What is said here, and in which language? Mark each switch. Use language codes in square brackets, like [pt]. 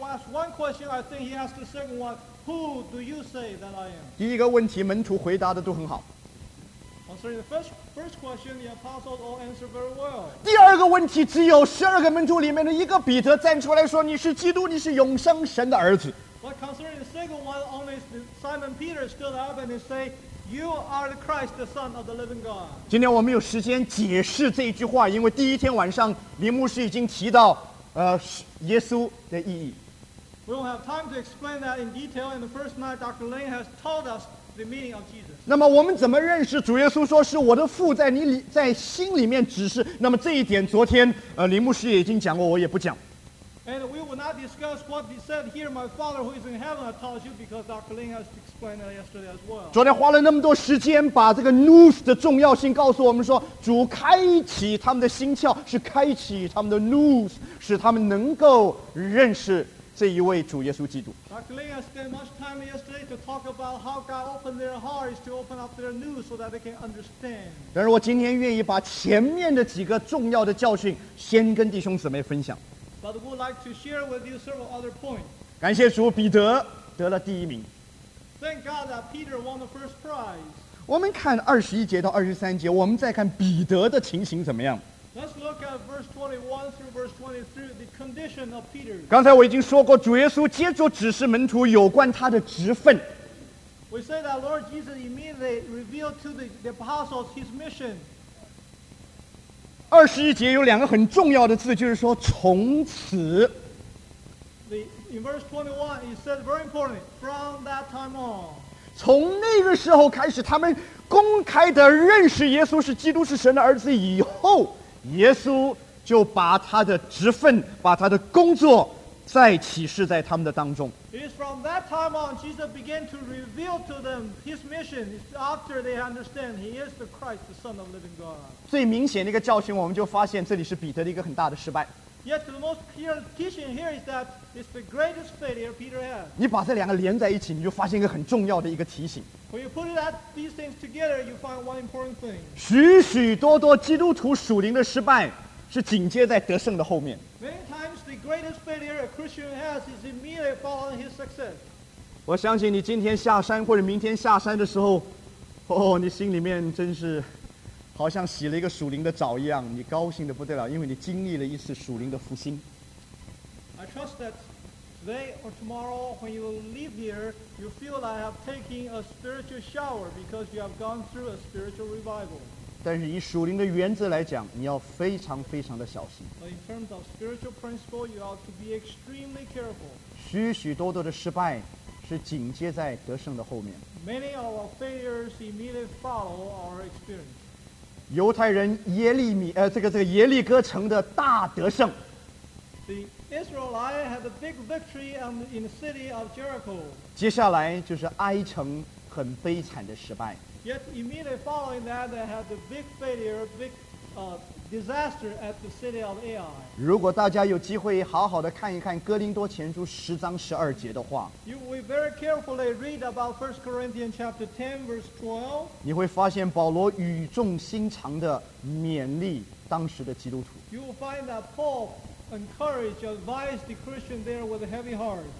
[en] One question, I think he asked the second one. Who do you say that I am? [zh] 第一个问题，门徒回答的都很好。 [en] Sorry, the first question, the apostles all answered very well. [zh] 第二个问题，只有十二个门徒里面的一个彼得站出来说：“你是基督，你是永生神的儿子。” [en] But concerning the second one, only Simon Peter stood up and said, "You are the Christ, the Son of the Living God." [zh] 今天我们有时间解释这句话，因为第一天晚上林牧师已经提到，耶稣的意义。 [en] We don't have time to explain that in detail. In the first night, Dr. Lane has told us the meaning of Jesus. [zh] 那么我们怎么认识主耶稣？说是我的父在你里，在心里面指示。那么这一点，昨天林牧师也已经讲过，我也不讲。 [en] And we will not discuss what he said here. My Father who is in heaven, I told you because Dr. Lane has explained that yesterday as well. [zh] 昨天花了那么多时间把这个 news 的重要性告诉我们，说主开启他们的心窍，是开启他们的 news， 使他们能够认识。这一位主耶稣基督。 [en] Dr. Lin has spent much time yesterday to talk about how God opened their hearts to open up their news so that they can understand. [zh] 但是我今天愿意把前面的几个重要的教训先跟弟兄姊妹分享。 [en] But would like to share with you several other points. [zh] 感谢主，彼得得了第一名。 [en] Thank God that Peter won the first prize. [zh] 我们看二十一节到二十三节，我们再看彼得的情形怎么样。 [en] Let's look at verse 21 through verse 23, the condition of Peter. [zh] 刚才我已经说过，主耶稣接着指示门徒有关他的职分。 [en] We say that Lord Jesus immediately revealed to the apostles his mission. [zh] 二十一节有两个很重要的字，就是说从此。 [en] In verse 21, it said very important, from that time on. [zh] 从那个时候开始，他们公开的认识耶稣是基督是神的儿子以后，耶稣就把他的职分，把他的工作再启示在他们的当中。 [en] It is from that time on Jesus began to reveal to them his mission after they understand he is the Christ, the Son of the living God. [zh] 最明显的一个教训，我们就发现这里是彼得的一个很大的失败。 [en] Yet the most clear teaching here is that it's the greatest failure Peter had. [zh] 你把这两个连在一起，你就发现一个很重要的一个提醒。 [en] When you put that, these things together, you find one important thing. [zh] 许许多多基督徒属灵的失败是紧接在得胜的后面。 [en] Many times the greatest failure a Christian has is immediately following his success. [zh] 我相信你今天下山或者明天下山的时候，哦，你心里面真是好像洗了一个属灵的澡一样，你高兴得不得了，因为你经历了一次属灵的复兴。 [en] I trust that today or tomorrow when you leave here, you feel like I have taken a spiritual shower because you have gone through a spiritual revival. [zh] 但是以属灵的原则来讲，你要非常非常的小心。 [en] But in terms of spiritual principle, you ought to be extremely careful. [zh] 许许多多的失败是紧接在得胜的后面。 [en] Many of our failures immediately follow our experience. [zh] 犹太人耶利米耶利哥城的大得胜。 [en] The Israelites had a big victory in the city of Jericho. [zh] 接下来就是埃城很悲惨的失败。 [en] Yet immediately following that, they had a big failure, big disaster at the city of Ai. [zh] 如果大家有机会好好的看一看哥林多前书十章十二节的话 [en] ，You will very carefully read about 1 Corinthians chapter 10 verse 12. [zh] 你会发现保罗语重心长的勉励当时的基督徒。 [en] You will find that Paul encouraged, advised the Christian there with a heavy heart.